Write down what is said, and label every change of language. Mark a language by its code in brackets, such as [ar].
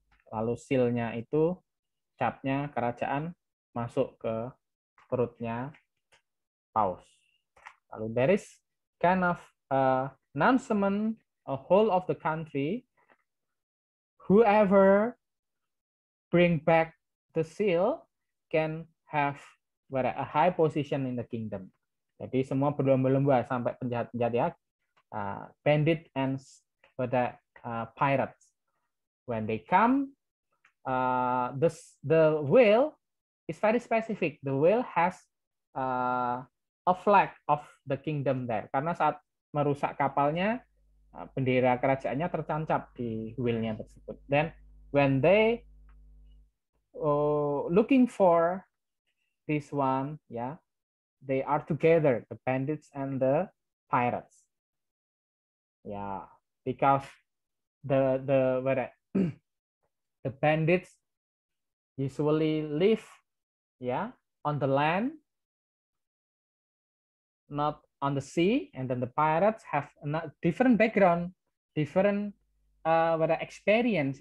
[id] Lalu sealnya itu, capnya kerajaan, masuk ke perutnya paus. [en] Lalu there is kind of announcement, a whole of the country, whoever bring back the seal can have where a high position in the kingdom. [id] Jadi semua berlomba-lomba sampai penjahat-penjahat, ya, bandit and pada pirates. [en] When they come, the whale is very specific. The whale has a flag of the kingdom there. [id] Karena saat merusak kapalnya, bendera kerajaannya tercancap di whale-nya tersebut. [en] Then when they looking for this one, ya, yeah, they are together, the bandits and the pirates. Yeah, because the bandits usually live, yeah, on the land, not on the sea, and then the pirates have a different background, different experience.